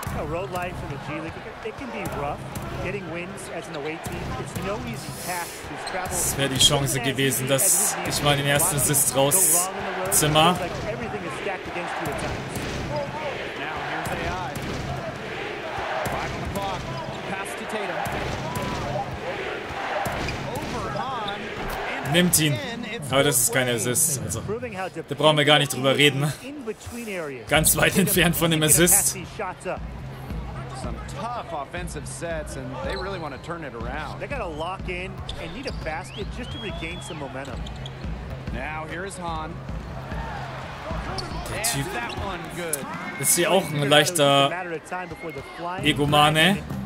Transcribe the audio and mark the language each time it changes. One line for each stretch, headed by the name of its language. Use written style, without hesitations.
English: Road life in the G League, it can be rough. Getting wins as an away team, it's no easy task to travel.
German: Es wäre die Chance gewesen, dass ich mal den ersten Assist raus Zimmer.
English: Everything is stacked against you at times. Now here's AI. 5 o'clock. Pass to Tatum. Over Hahn.
German: Nimmt ihn. Aber das ist kein Assist. Also, da brauchen wir gar nicht drüber reden. Ganz weit entfernt von dem Assist.
English: Some tough offensive sets and they really want to turn it around. They got to lock in and need a basket just to regain some momentum. Now here is Hahn.
German: Der Typ ist hier auch ein leichter Egomane.